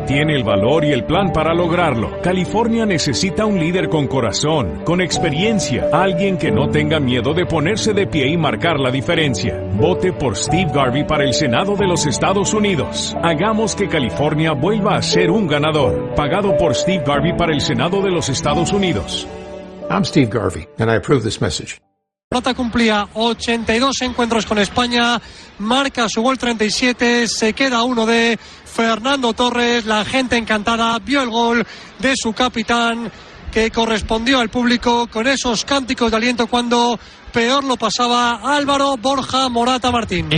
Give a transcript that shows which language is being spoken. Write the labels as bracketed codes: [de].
[es] Tiene el valor y el plan para lograrlo. California necesita un líder con corazón, con experiencia, alguien que no tenga miedo de ponerse de pie y marcar la diferencia. Vote por Steve Garvey para el Senado de los Estados Unidos. Hagamos que California vuelva a ser un ganador. Pagado por Steve Garvey para el Senado de los Estados Unidos. [en] I'm Steve Garvey, and I approve this message. [es] Morata cumplía 82 encuentros con España, marca su gol 37, se queda uno de Fernando Torres, la gente encantada vio el gol de su capitán que correspondió al público con esos cánticos de aliento cuando peor lo pasaba Álvaro Borja Morata Martín.